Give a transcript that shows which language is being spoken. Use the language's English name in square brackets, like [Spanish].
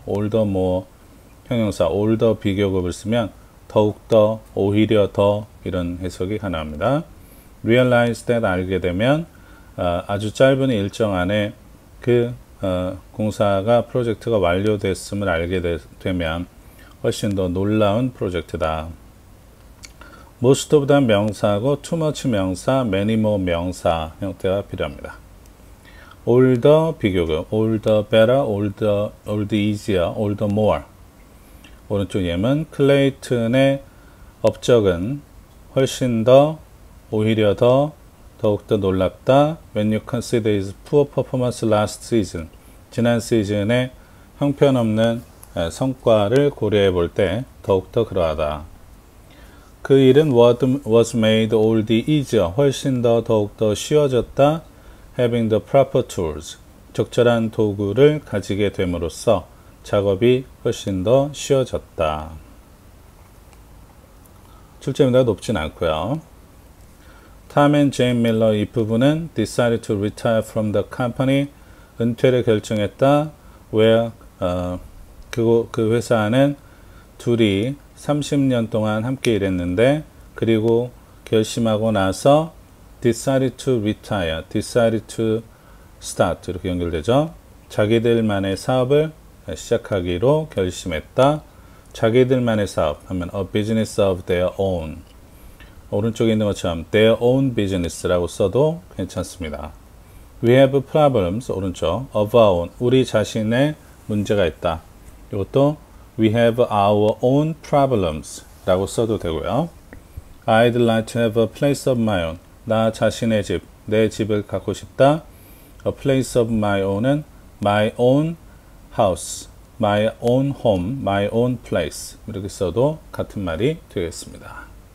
[Korean] All the more 형용사, all the 비교급을 쓰면 더욱더, 오히려 더 이런 해석이 가능합니다. Realize that 알게 되면 아주 짧은 일정 안에 그 공사가 프로젝트가 완료됐음을 알게 되면 훨씬 더 놀라운 프로젝트다. [English] Most of them 명사고 too much 명사, many more 명사 [Korean] 형태가 필요합니다. [English] All the [Korean] 비교급, [English] all the better, all the easier, all the more. [Korean] 오른쪽 예문, 클레이튼의 업적은 훨씬 더, 오히려 더, 더욱더 놀랍다. [English] When you consider his poor performance last season, [Korean] 지난 시즌의 형편없는 성과를 고려해 볼때 더욱더 그러하다. 그 일은 [English] was made all the easier, [Korean] 훨씬 더, 더욱더 쉬워졌다. [English] Having the proper tools, [Korean] 적절한 도구를 가지게 됨으로써 작업이 훨씬 더 쉬워졌다. 출제입니다. 높진 않고요. [English] Tom and Jane Miller [Korean] 이 부부는 [English] decided to retire from the company [Korean] 은퇴를 결정했다. Where 그 회사는 둘이 30년 동안 함께 일했는데 그리고 결심하고 나서 [English] decided to retire, decided to start [Korean] 이렇게 연결되죠. 자기들만의 사업을 시작하기로 결심했다. 자기들만의 사업 하면 [English] a business of their own. [Korean] 오른쪽에 있는 것처럼 [English] their own business [Korean] 라고 써도 괜찮습니다. [English] We have problems, 오른쪽, of our own. [Korean] 우리 자신의 문제가 있다. 이것도 [English] we have our own problems [Korean] 라고 써도 되고요. [English] I'd like to have a place of my own. [Korean] 나 자신의 집, 내 집을 갖고 싶다. [English] A place of my own [Korean] 은 [English] my own house, my own home, my own place. [Korean] 이렇게 써도 같은 말이 되겠습니다.